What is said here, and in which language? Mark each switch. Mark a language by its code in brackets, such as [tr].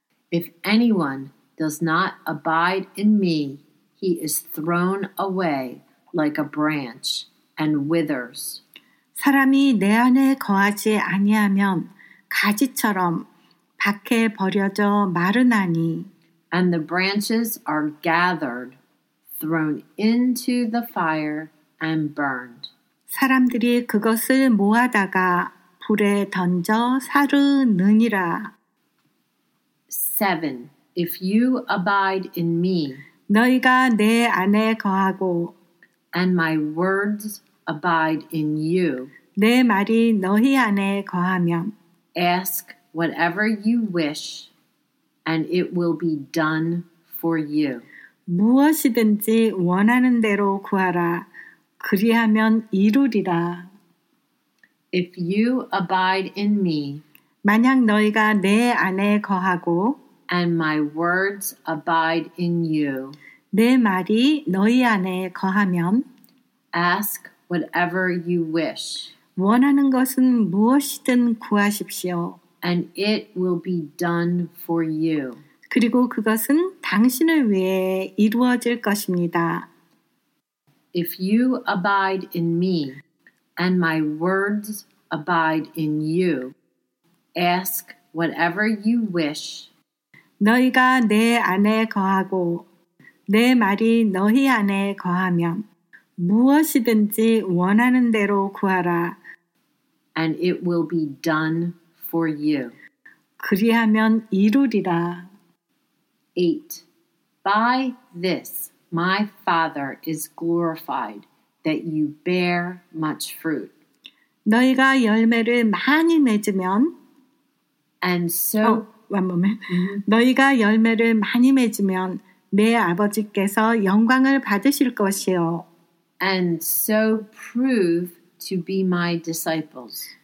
[en] If anyone does not abide in me, he is thrown away like a branch and withers. [ko] 사람이 내 안에 거하지 아니하면 가지처럼 밖에 버려져 마르나니. [en] And the branches are gathered, thrown into the fire and burned. [ko] 사람들이 그것을 모아다가 불에 던져 사르느니라. [en] 7. If you abide in me, [ko] 너희가 내 안에 거하고, [en] and my words abide in you, [ko] 내 말이 너희 안에 거하면, [en] ask whatever you wish, and it will be done for you. [ko] 무엇이든지 원하는 대로 구하라, 그리하면 이루리라. [en] If you abide in me, [ko] 만약 너희가 내 안에 거하고, [en] and my words abide in you, [ko] 내 말이 너희 안에 거하면, [en] ask whatever you wish, [ko] 원하는 것은 무엇이든 구하십시오, [en] and it will be done for you, [ko] 그리고 그것은 당신을 위해 이루어질 것입니다. [en] If you abide in me, and my words abide in you, ask whatever you wish. [ko] 너희가 내 안에 거하고 내 말이 너희 안에 거하면 무엇이든지 원하는 대로 구하라. [en] And it will be done for you. [ko] 그리하면 이루리라. 8. [en] By this my Father is glorified, that you bear much fruit. [ko] 너희가 열매를 많이 맺으면 [en] And so One moment. Mm-hmm. [ko] 너희가 열매를 많이 맺으면 내 아버지께서 영광을 받으실 것이요. [en] And so prove to be my disciples.